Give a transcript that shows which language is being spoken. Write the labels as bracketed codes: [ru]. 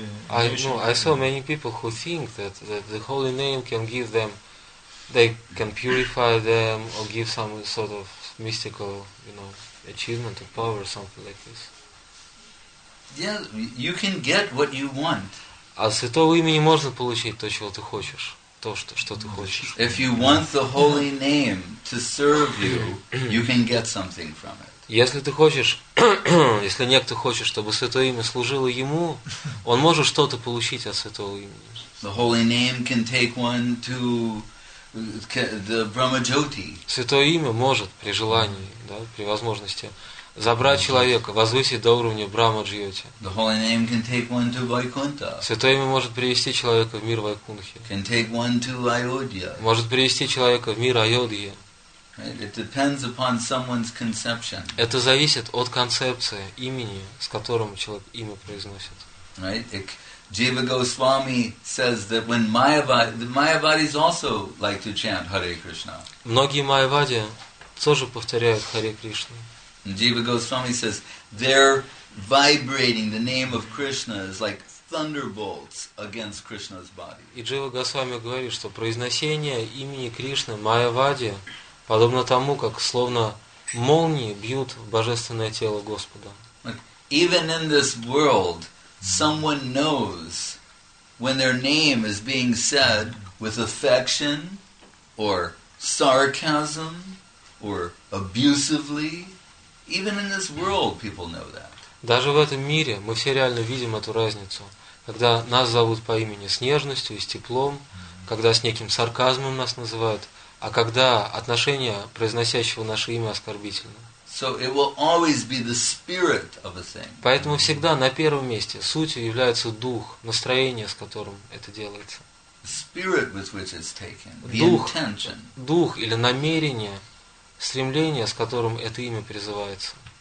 [en] I saw many people who think that the holy name can give them, they can purify them or give some sort of mystical, you know, achievement or power or something like this. Yeah, you can get what you want. [ru] От святого имени можно получить то, чего ты хочешь, то, что ты хочешь. [en] If you want the holy name to serve you, you can get something from it. [ru] Если ты хочешь, если некто хочет, чтобы святое имя служило ему, он может что-то получить от святого имени. [en] The holy name can take one to the Brahmajyoti. [ru] Святое имя может при желании, да, при возможности забрать человека, возвысить до уровня Брахма-джьоти. [en] The holy name can take one to Vaikuntha. [ru] Святое имя может привести человека в мир Вайкунхи. [en] Can take one to Ayodhya. [ru] Может привести человека в мир Айодхи. [en] It depends upon someone's conception. [ru] Это зависит от концепции имени, с которым человек имя произносит. [en] Right? Jiva Goswami says that when Mayavadis also like to chant Hare Krishna. [ru] Многие майявади тоже повторяют Hare Krishna. [en] Jiva Goswami says they're vibrating the name of Krishna is like thunderbolts against Krishna's body. [ru] И Jiva Goswami говорит, что произношение имени Кришны майявади подобно тому, как словно молнии бьют в божественное тело Господа. [en] Even in this world, someone knows when their name is being said with affection or sarcasm or abusively. Even in this world, people know that. [ru] Даже в этом мире мы все реально видим эту разницу, когда нас зовут по имени с нежностью и с теплом, когда с неким сарказмом нас называют, а когда отношение произносящего наше имя оскорбительно. [en] So it will always be the spirit of a thing. [ru] Поэтому всегда на первом месте сутью является дух, настроение, с которым это делается. [en] The spirit with which it's taken. Дух, the intention. [ru] Дух или намерение, стремление, с которым это имя призывается.